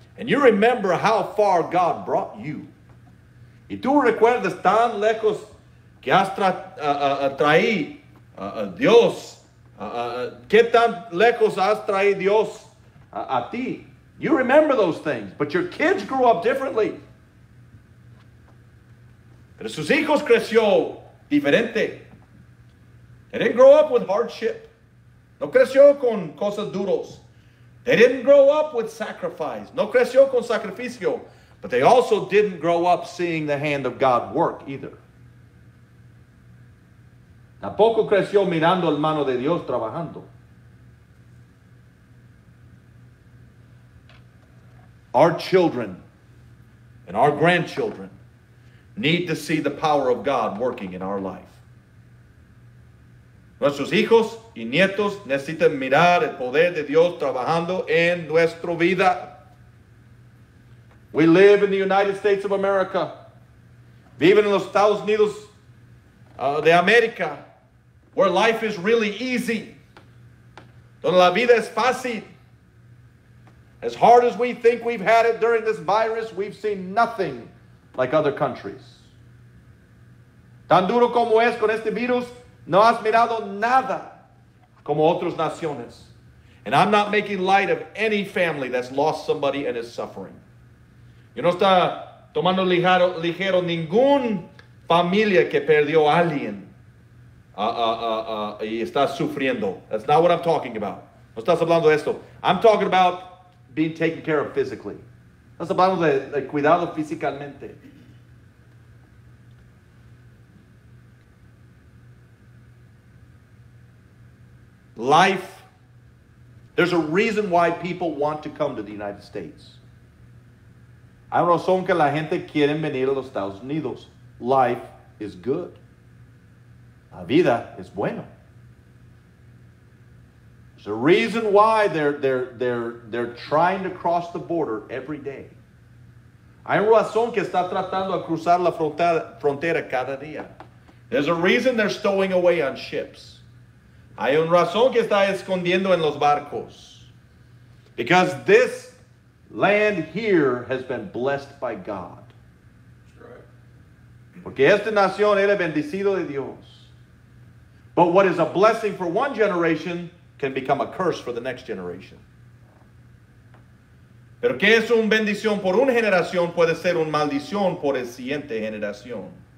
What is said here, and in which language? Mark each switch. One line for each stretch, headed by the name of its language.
English: And you remember how far God brought you.
Spanish: Y tú recuerdas tan lejos que has traído a Dios. Qué tan lejos has traído Dios a ti.
English: You remember those things, but your kids grew up differently.
Spanish: Pero sus hijos creció diferente.
English: They didn't grow up with hardship.
Spanish: No creció con cosas duros.
English: They didn't grow up with sacrifice.
Spanish: No creció con sacrificio.
English: But they also didn't grow up seeing the hand of God work either.
Spanish: Tampoco creció mirando la mano de Dios trabajando.
English: Our children and our grandchildren need to see the power of God working in our life.
Spanish: Nuestros hijos y nietos necesitan mirar el poder de Dios trabajando en nuestra vida.
English: We live in the United States of America.
Spanish: Viven en los Estados Unidos de América,
English: where life is really easy.
Spanish: Donde la vida es fácil.
English: As hard as we think we've had it during this virus, we've seen nothing like other countries.
Spanish: Tan duro como es con este virus, no has mirado nada como otras naciones.
English: And I'm not making light of any family that's lost somebody and is suffering.
Spanish: Yo no está tomando ligero ningún familia que perdió a alguien y está sufriendo.
English: That's not what I'm talking about.
Spanish: No estás hablando de esto.
English: I'm talking about being taken care of physically.
Spanish: Estás hablando de cuidado físicamente.
English: Life. There's a reason why people want to come to the United States.
Spanish: Hay razón que la gente quiere venir a los Estados Unidos.
English: Life is good.
Spanish: La vida es bueno.
English: There's a reason why they're trying to cross the border every day.
Spanish: Hay razón que está tratando de cruzar la frontera cada día.
English: There's a reason they're stowing away on ships.
Spanish: Hay un razón que está escondiendo en los barcos.
English: Because this land here has been blessed by God.
Spanish: Porque esta nación era bendecido de Dios.
English: But what is a blessing for one generation can become a curse for the next generation.
Spanish: Pero que es un bendición por una generación puede ser una maldición por la siguiente generación.